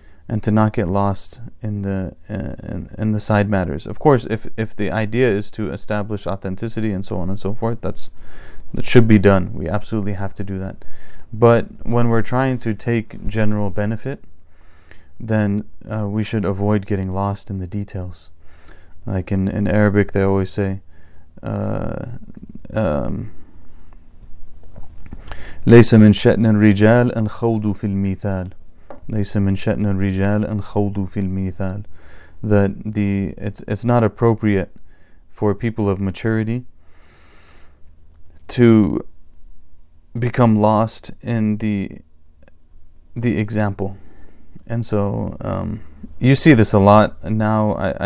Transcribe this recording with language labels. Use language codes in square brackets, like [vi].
[en] and to not get lost in the side matters. Of course, if the idea is to establish authenticity and so on and so forth, that should be done. We absolutely have to do that. But when we're trying to take general benefit, then we should avoid getting lost in the details. Like in Arabic, they always say, [ar] ليس من شأن الرجال أن خوضوا في المثال. ليس من شأن الرجال أن خوضوا في المثال. [en] That it's not appropriate for people of maturity to become lost in the example. And so you see this a lot now.